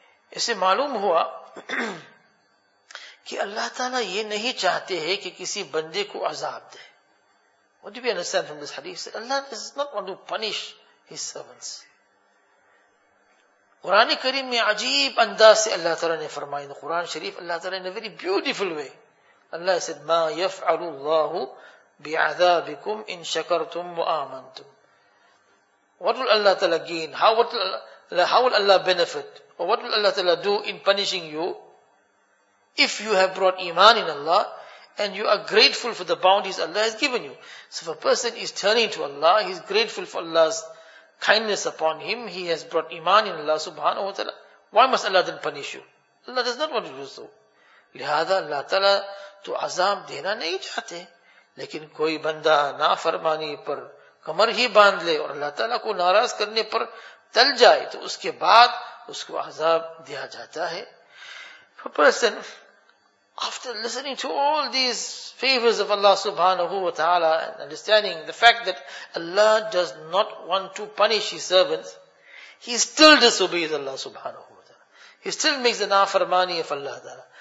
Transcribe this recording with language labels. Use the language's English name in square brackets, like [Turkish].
[Urdu] اسے معلوم ہوا کہ اللہ تعالیٰ یہ نہیں چاہتے ہیں کہ کسی بندے کو عذاب دے. [English] What do we understand from this hadith? Allah does not want to punish his servants. [Urdu] قرآن کریم میں عجیب انداز سے اللہ تعالیٰ نے فرمایا, قرآن شریف اللہ تعالیٰ نے [English] very beautiful way, [Urdu] اللہ said, [Arabic] ما يفعل الله بعذابكم ان شكرتم وآمنتم. [English] What will Allah تعالیٰ gain? How will Allah benefit? Or what will Allah تعالیٰ do in punishing you if you have brought iman in Allah And you are grateful for the bounties Allah has given you. So if a person is turning to Allah, he is grateful for Allah's kindness upon him. He has brought iman in Allah subhanahu wa ta'ala. Why must Allah then punish you? Allah does not want to do so. [Urdu] لہذا اللہ تعالیٰ تو عذاب دینا نہیں چاہتے. لیکن کوئی بندہ نافرمانی پر کمر ہی باندھ لے اور اللہ تعالیٰ کو ناراض کرنے پر تل جائے تو اس کے بعد اس کو عذاب دیا جاتا ہے. [English] A person, after listening to all these favors of Allah subhanahu wa ta'ala and understanding the fact that Allah does not want to punish His servants, he still disobeys Allah subhanahu wa ta'ala. He still makes the nafarmani of Allah ta'ala.